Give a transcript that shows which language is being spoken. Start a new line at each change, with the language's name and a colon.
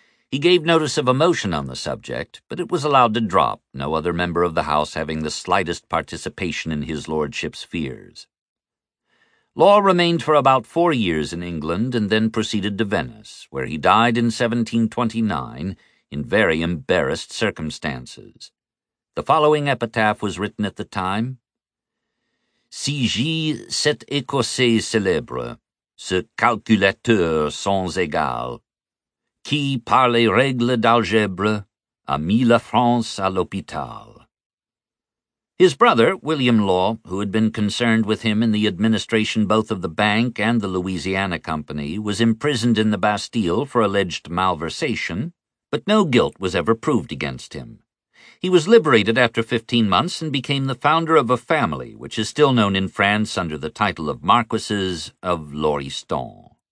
English: He gave notice of a motion on the subject, but it was allowed to drop, no other member of the House having the slightest participation in his lordship's fears. Law remained for about 4 years in England and then proceeded to Venice, where he died in 1729 in very embarrassed circumstances. The following epitaph was written at the time:
French: Si j'y cet écossais célèbre, ce calculateur sans égal, qui, par les règles d'algèbre, a mis la France à l'hôpital.
English: His brother, William Law, who had been concerned with him in the administration both of the bank and the Louisiana Company, was imprisoned in the Bastille for alleged malversation, but no guilt was ever proved against him. He was liberated after 15 months and became the founder of a family, which is still known in France under the title of Marquesses of Lauriston.